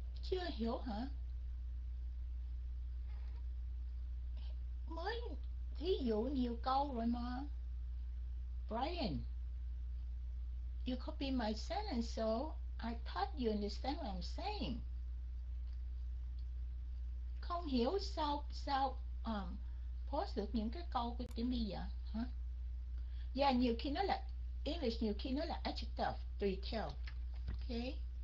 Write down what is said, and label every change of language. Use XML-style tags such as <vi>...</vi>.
<vi>Chưa hiểu hả? Mới thí dụ nhiều câu rồi mà.</vi> <en>Brian, you copy my sentence so I thought you understand what I'm saying.</en> <vi>không hiểu sao sao post được những cái câu của tiếng Bi vậy hả? Và nhiều khi nó là English, nhiều khi nó là adjective tùy theo. Okay.</vi>